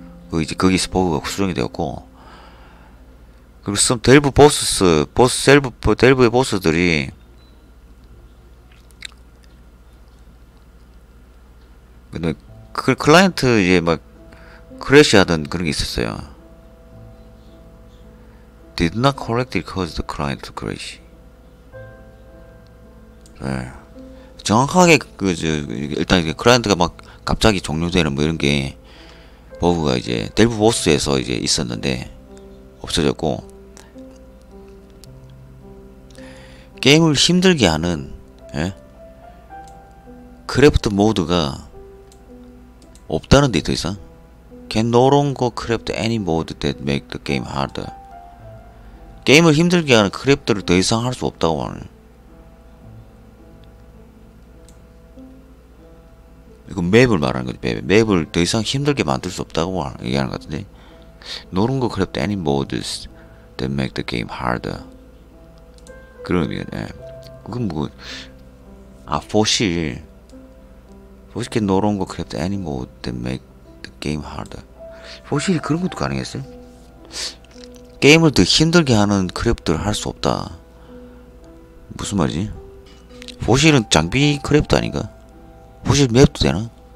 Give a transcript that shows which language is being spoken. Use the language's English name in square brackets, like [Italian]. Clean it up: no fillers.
[Korean] 그 이제 거기서 버그가 수정이 되었고. 그리고 델브 보스스 보스 셀브 델브의 보스들이 근데 그 클라이언트 이제 막 크래시하던 그런 게 있었어요. [English] Did not correctly cause the client to crash. [Korean] 네. 정확하게 그 저 일단 이제 클라이언트가 막 갑자기 종료되는 뭐 이런 게 버그가 이제 델브 보스에서 이제 있었는데 없어졌고. 게임을 힘들게 하는 예? 크래프트 모드가 없다는데 더 이상 [English] Can no longer craft any mode that make the game harder. [Korean] 게임을 힘들게 하는 크래프트를 더 이상 할 수 없다고 하는. 이거 맵을 말하는 거지. 맵. 맵을 더 이상 힘들게 만들 수 없다고 얘기하는 것 같은데 [English] No longer craft any modes that make the game harder. [Korean] 그런 의미가, 네. 그건 뭐, 아, 포실. [English] 포실 can no longer craft any mode that make the game harder. [Korean] 포실이 그런 것도 가능했어요? 게임을 더 힘들게 하는 크래프트를 할 수 없다. 무슨 말이지? 포실은 장비 크래프트 아닌가? 포실 맵도 되나?